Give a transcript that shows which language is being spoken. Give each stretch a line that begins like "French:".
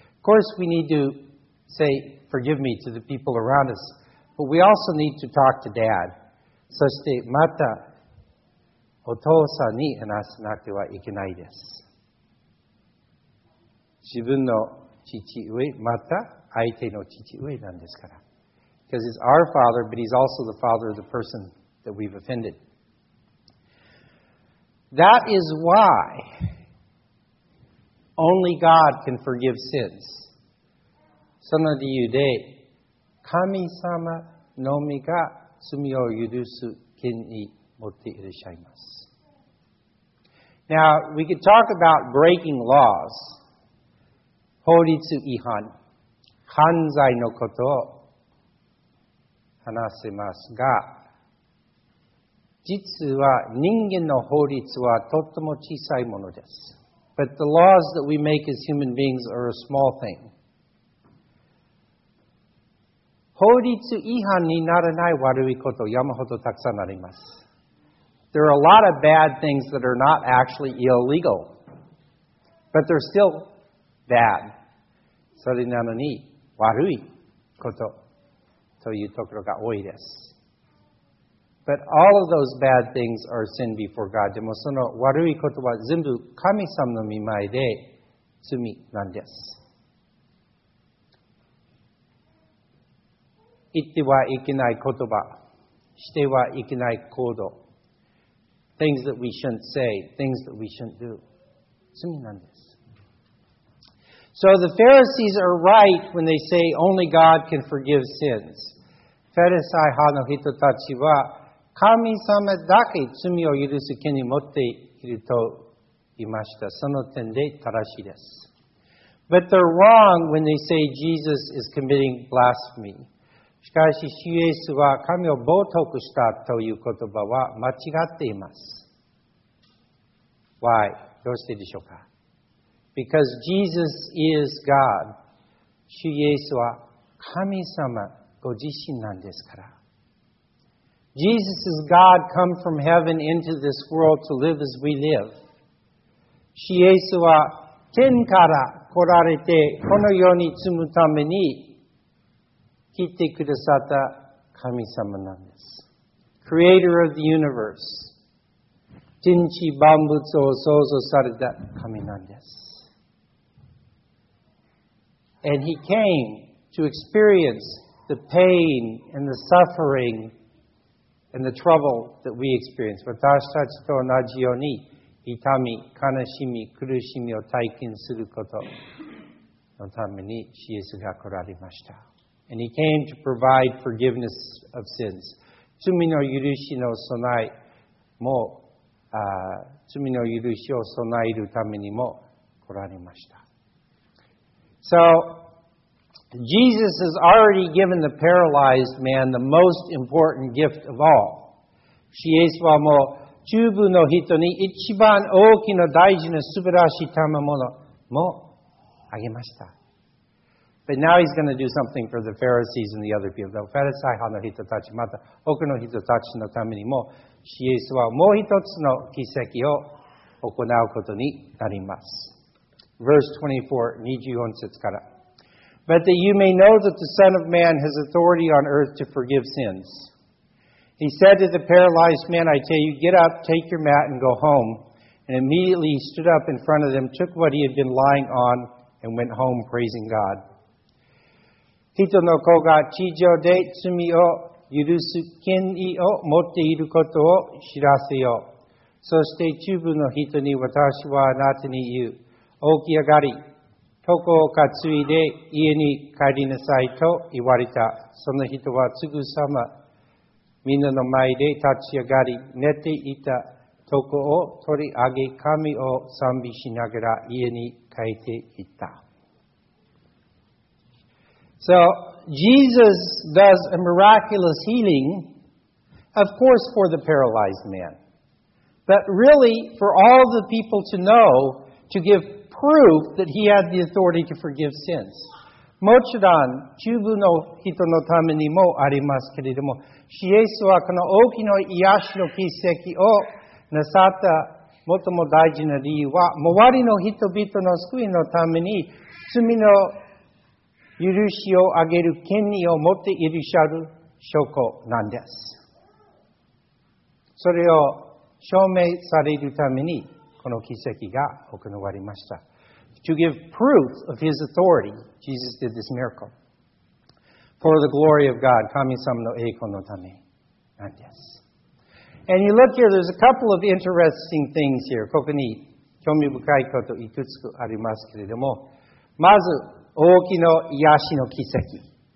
English: Of course, we need to say, forgive me to the people around us, but we also need to talk to Dad.
Japanese: そして、また、お父さんに話さなくてはいけないです。自分の父上、また、相手の父上なんですから。
English: Because he's our father, but he's also the father of the person that we've offended. That is why only God can forgive sins.
Japanese: その理由で、神様のみが罪を許す権利を持っていらっしゃいます。
English: Now, we could talk about breaking laws.
Japanese: 法律違反。犯罪のことを話せますが、実は人間の法律はとても小さいものです。
English: But the laws that we make as human beings are a small thing.
Japanese: 法律違反にならない悪いこと山ほどたくさんあります。
English: There are a lot of bad things that are not actually illegal. But they're still bad.
Japanese: それなのに、悪いことというところが多いです。
English: But all of those bad things are sin before God.
Japanese: でもその悪いことは全部神様の御前で罪なんです。言ってはいけない言葉、してはいけない行動、
English: things that we shouldn't say, things that we shouldn't do,
Japanese: 罪なんです。
English: So the Pharisees are right when they say only God can forgive sins.
Japanese: ファリサイ派の人たちは神様だけ罪を許す権利を持っていると言いました。その点で正しいです。
English: But they're wrong when they say Jesus is committing blasphemy.
Japanese: しかし、主イエスは神を冒涜したという言葉は間違っています。
English: Why?
Japanese: どうしてでしょうか？
English: Because Jesus is God.
Japanese: 主イエスは神様ご自身なんですから。
English: Jesus is God come from heaven into this world to live as we live.
Japanese: 主イエスは天から来られてこの世に住むために来てくださった神様なんです。
English: Creator of the universe.
Japanese: 天地万物を創造された神なんです。
English: And he came to experience the pain and the suffering and the trouble that we experience.
Japanese: 私たちと同じように痛み、悲しみ、苦しみを体験することのためにイエスが来られました。
English: And he came to provide forgiveness of sins.
Japanese: 罪の許しの備えも、罪の許しを備えるためにも来られました。
English: So, Jesus has already given the paralyzed man the most important gift of all.
Japanese: イエスはもう、中部の人に一番大きな大事な素晴らしい賜物もあげました。
English: But now he's going to do something for the Pharisees and the other people.
Japanese: ファリサイ派の人たち、また多くの人たちのためにも、イエスはもう一つの奇跡を行うことになります。
English: Verse 24,
Japanese: 24節から。
English: But that you may know that the Son of Man has authority on earth to forgive sins. He said to the paralyzed man, I tell you, get up, take your mat, and go home. And immediately he stood up in front of them, took what he had been lying on, and went home praising God.
Japanese: 人の子が地上で罪を許す権利を持っていることを知らせよう。そして中部の人に私はあなたに言う。起き上がり、床を担いで家に帰りなさいと言われた。その人はすぐさまみんなの前で立ち上がり、寝ていたとこを取り上げ、神を賛美しながら家に帰っていった。
English: So, Jesus does a miraculous healing, of course, for the paralyzed man. But really, for all the people to know, to give proof that he had the authority to forgive sins.
Japanese: もちろん、一部の人のためにもありますけれども、イエスはこの大きな癒しの奇跡をなさった最も大事な理由は、周りの人々の救いのために、罪の許しをあげる権利を持っていらっしゃる証拠なんです。それを証明されるために、この奇跡が行われました。
English: To give proof of his authority, Jesus did this miracle. For the glory of God,
Japanese: 神様の栄光のためなんです。
English: And you look here, there's a couple of interesting things here.
Japanese: ここに興味深いこといくつかありますけれども、まず大きな癒しの奇跡。